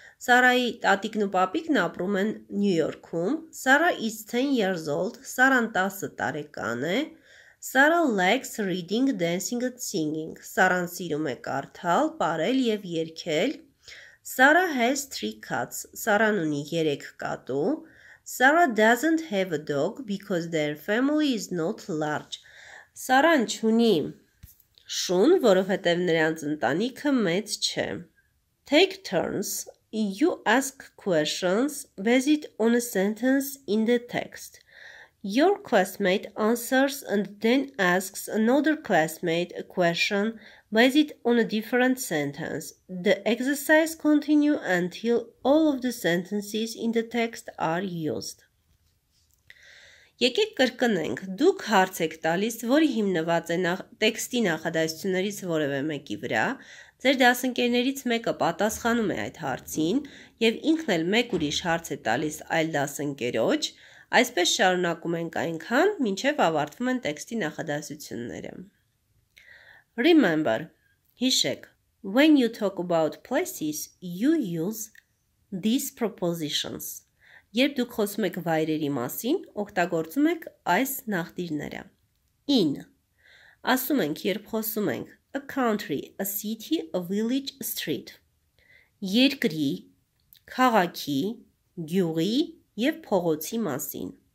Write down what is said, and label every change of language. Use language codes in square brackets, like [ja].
[hy] Սառայի տատիկն ու պապիկն ապրում են Նյու Յորքում։ [en] Sarah is 10 years old. [hy] Սառան 10 տարեկան է։ [en] Sarah likes reading, dancing and singing. [hy] Սառան սիրում է կարդալ, պարել եւ երգել։ [en] Sarah has three cats. [hy] Սարան ունի 3 կատու. [en] Sarah doesn't have a dog because their family is not large. [hy] Սարան չունի շուն, որովհետև նրանց ընտանիքը մեծ չէ. [en] Take turns. You ask questions based on a sentence in the text. Your classmate answers and then asks another classmate a question based on a different sentence. The exercise continues until all of the sentences in the text are used. [hy] Եկեք կրկնենք, դուք հարց եք տալիս, որի հիմնված է տեքստի նախադասություններից որևէ մեկի վրա, ձեր դասընկերներից մեկը պատասխանում է այդ հարցին, և ինքն էլ մեկ ուրիշ հարց է տալիս այլ դասընկերոջ, այսպես շարունակում ենք այնքան, մինչև ավարտվում են տեքստի նախադասությունները. [en] Remember, [hy] հիշեք, [en] when you talk about places, you use these prepositions. [hy] Երբ դուք խոսում եք վայրերի մասին, օգտագործում եք այս նախտիրները. In. Ասում ենք, երբ խոսում ենք [en] a country, a city, a village, a street. [hy] Երկրի, քաղաքի, գյուղի և փողոցի մասին.